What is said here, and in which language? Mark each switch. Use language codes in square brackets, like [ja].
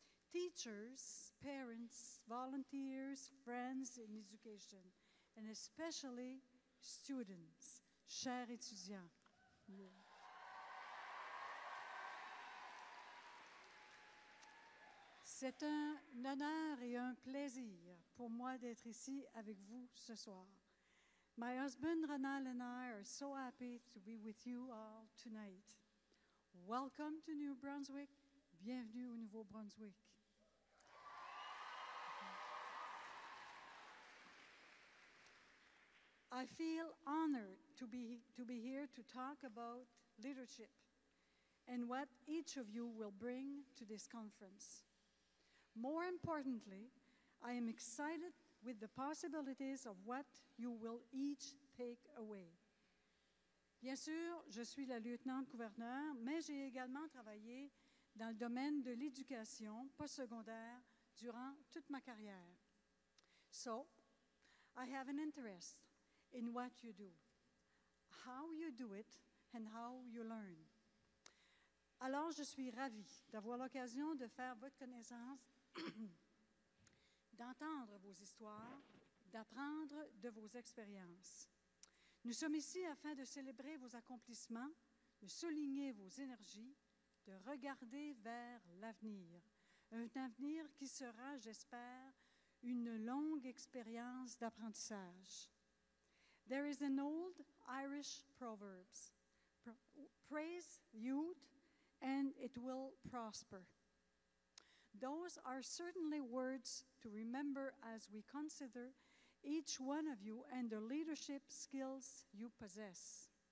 [en] Teachers, parents, volunteers, friends in education, and especially students, [fr] chers étudiants. [en] Yeah. [fr] C'est C'est un honneur et un plaisir pour moi d'être ici avec vous ce soir. [en] My husband Ronald and I are so happy to be with you all tonight. Welcome to New Brunswick. [fr] Bienvenue au Nouveau-Brunswick. [en] I feel honored to be here to talk about leadership and what each of you will bring to this conference. More importantly, I am excited with the possibilities of what you will each take away. [fr] Bien sûr, je suis la lieutenant-gouverneur, mais j'ai également travaillé dans le domaine de l'éducation postsecondaire durant toute ma carrière. [en] So, I have an interest in what you do, how you do it, and how you learn. [fr] Alors, je suis ravie d'avoir l'occasion de faire votre connaissance, d'entendre vos histoires, d'apprendre de vos expériences. Nous sommes ici afin de célébrer vos accomplissements, de souligner vos énergies, de regarder vers l'avenir. Un avenir qui sera, j'espère, une longue expérience d'apprentissage. [en] There is an old Irish proverb: praise youth and it will prosper. Those are certainly words to remember as we consider each one of you and the leadership skills you possess.